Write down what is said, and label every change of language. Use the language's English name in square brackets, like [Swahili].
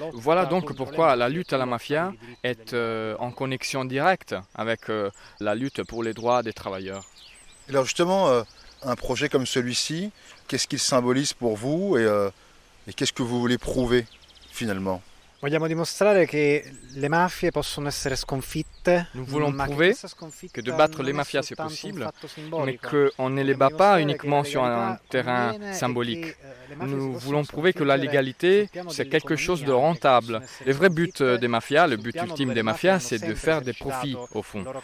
[French] Voilà donc pourquoi la lutte à la mafia est en connexion directe avec la lutte pour les droits des travailleurs. Alors justement, un projet comme celui-ci, qu'est-ce qu'il symbolise pour vous et qu'est-ce que vous voulez prouver finalement ? [Italian] Vogliamo dimostrare che le mafie possono essere sconfitte. [French] Nous voulons prouver que de battre les mafias c'est possible, mais qu'on ne les bat pas uniquement sur un terrain symbolique. Nous voulons prouver que la légalité, c'est quelque chose de rentable. Le vrai but des mafias, le but ultime des mafias, c'est de faire des profits au fond.